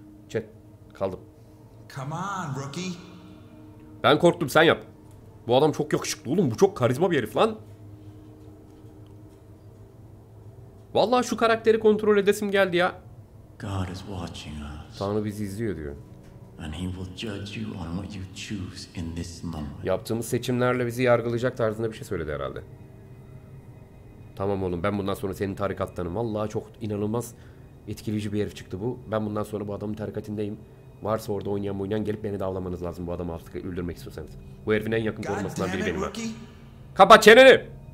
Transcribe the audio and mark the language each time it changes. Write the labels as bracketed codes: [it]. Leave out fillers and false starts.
[tr] Chat. Kaldım. [en] Come on, rookie. [tr] Ben korktum, sen yap. Bu adam çok yakışıklı oğlum. Bu çok karizma bir herif lan. Vallahi şu karakteri kontrol edesim geldi ya. [en] God is watching us. [tr] Tanrı bizi izliyor diyor. [en] And he will judge you on what you choose in this moment. [tr] Yaptığımız seçimlerle bizi yargılayacak tarzında bir şey söyledi herhalde. Tamam oğlum, ben bundan sonra senin tarikattanım. Vallahi çok inanılmaz etkileyici bir herif çıktı bu. Ben bundan sonra bu adamın tarikatindeyim. Varsa orada oynayan oynayan gelip beni davlamanız lazım bu adamı artık öldürmek istiyorsanız. Bu herifin en yakın korumasından biri benim. Kapa çeneni!